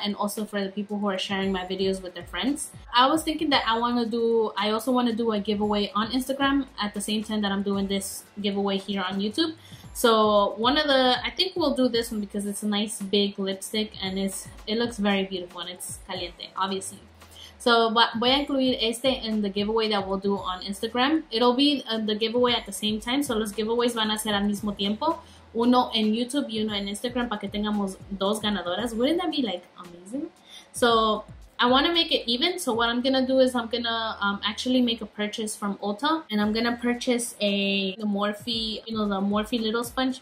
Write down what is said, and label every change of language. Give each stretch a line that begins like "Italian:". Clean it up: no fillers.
English: And also for the people who are sharing my videos with their friends. I was thinking that I also want to do a giveaway on Instagram at the same time that I'm doing this giveaway here on YouTube. So I think we'll do this one because it's a nice big lipstick and it looks very beautiful and it's caliente, obviously. So
Spanish: voy a incluir este
English: in the giveaway that we'll do on Instagram. It'll be the giveaway at the same time.
Spanish: So los giveaways van a ser al mismo tiempo. Uno en YouTube y uno en Instagram para que tengamos dos ganadoras.
English: Wouldn't that be like amazing? So I want to make it even. So what I'm going to do is I'm going to actually make a purchase from Ulta. And I'm going to purchase the Morphe little sponge.